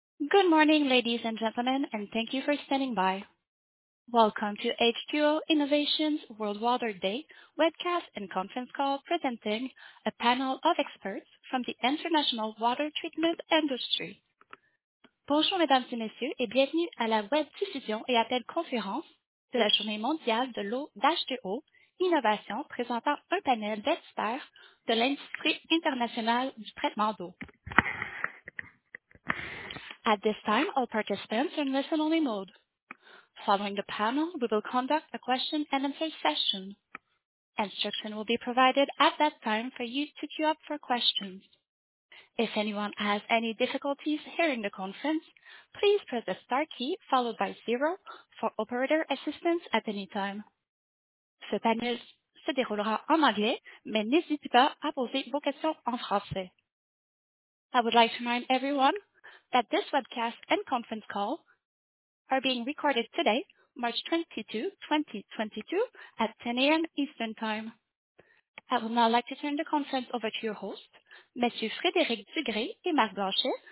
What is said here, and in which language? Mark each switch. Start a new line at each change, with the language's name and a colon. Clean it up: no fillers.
English: Good morning, ladies and gentlemen, and thank you for standing by. Welcome to H2O Innovation's World Water Day webcast and conference call presenting a panel of experts from the international water treatment industry.
French: Bonjour, mesdames et messieurs, et bienvenue à la web diffusion et appel conférence de la Journée mondiale de l'eau d'H2O Innovation présentant un panel d'experts de l'industrie internationale du traitement d'eau.
English: At this time, all participants are in listen-only mode. Following the panel, we will conduct a question-and-answer session. Instruction will be provided at that time for you to queue up for questions. If anyone has any difficulties hearing the conference, please press the star key followed by zero for operator assistance at any time.
French: Ce panel se déroulera en anglais, mais n'hésitez pas à poser vos questions en français.
English: I would like to remind everyone that this webcast and conference call are being recorded today, March 22, 2022, at 10 a.m. Eastern Time. I would now like to turn the conference over to your host, Monsieur Frédéric Dugré et Marc Blanchet.